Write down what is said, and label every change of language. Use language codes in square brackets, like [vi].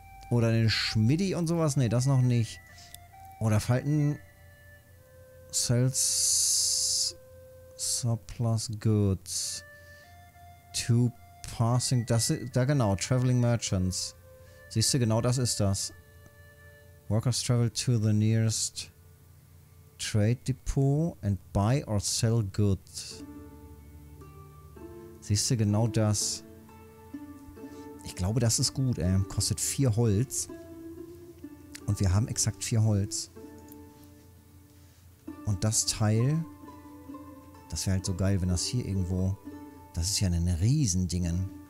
[de] Oder den Schmiddi und sowas? Ne, das noch nicht. Oder falten... Sells... [en] Surplus Goods. To passing... [de] Das, da genau, Traveling Merchants. Siehst du, genau das ist das. [en] Workers travel to the nearest Trade Depot and buy or sell goods. [de] Siehst du, genau das. Ich glaube, das ist gut, ey. Kostet 4 Holz. Und wir haben exakt 4 Holz. Und das Teil... Das wäre halt so geil, wenn das hier irgendwo... Das ist ja ein Riesendingen.